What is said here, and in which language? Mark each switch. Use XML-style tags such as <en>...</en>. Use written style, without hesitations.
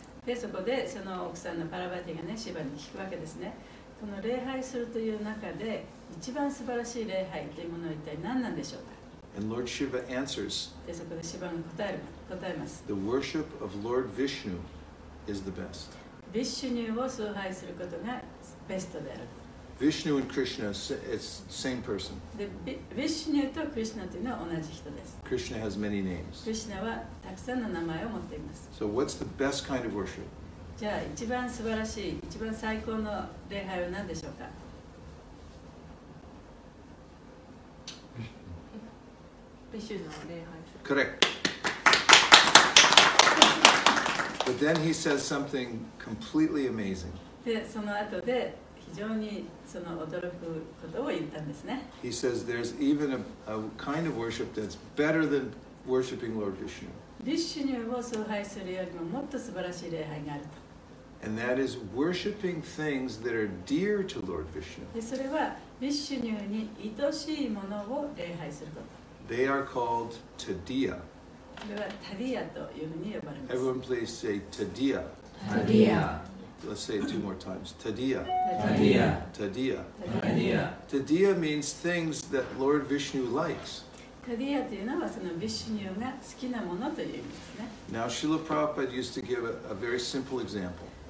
<ja>でそこでその奥さんのパラバティがねシヴァに聞くわけですね。この礼拝するという中で一番素晴らしい礼拝というものは一体何なんでしょうか。</ja> <en>And Lord Shiva answers,</en> <ja>でそこでシヴァが答えます。</ja> <en>The worship of Lord Vishnu is the best.</en> <ja>Vishnu を崇拝することがベストである。</ja> <en>Vishnu and Krishna, it's the same person.</en> <ja>で、Vishnu とクリシナというのは同じ人です。</ja> <en>Krishna has many names.</en> <ja>クリシナはたくさんの名前を持っています。</ja> <en>So what's the best kind of worship?</en> <ja>じゃあ一番素晴らしい、一番最高の礼拝は何でしょうか。ビシュの礼拝。</ja> <en>Correct. But then he says something completely amazing.</en> <ja>でその後で非常にその驚くことを言ったんですね。</ja> <en>He says there's even a kind of worship that's better than worshiping Lord Vishnu.</en> <ja>ビシュを崇拝するよりももっと素晴らしい礼拝があると。</ja> <en>And that is worshiping things that are dear to Lord Vishnu.</en> <ja>それはビシュヌに愛しいものを礼拝すること。</ja> <en>They are called Tadiya.</en> <ja>それはタディアというふうに呼ばれます。</ja> <en>Everyone please say Tadiya. Tadiya. Let's say it two more times. Tadiya. Tadiya. Tadiya. Tadiya. Tadiya means things that Lord Vishnu likes.</en> <ja>Tadiya というのはそのビシュヌが好きなものという意味ですね。</ja> <en>Now Srila Prabhupada used to give a very simple example.</en>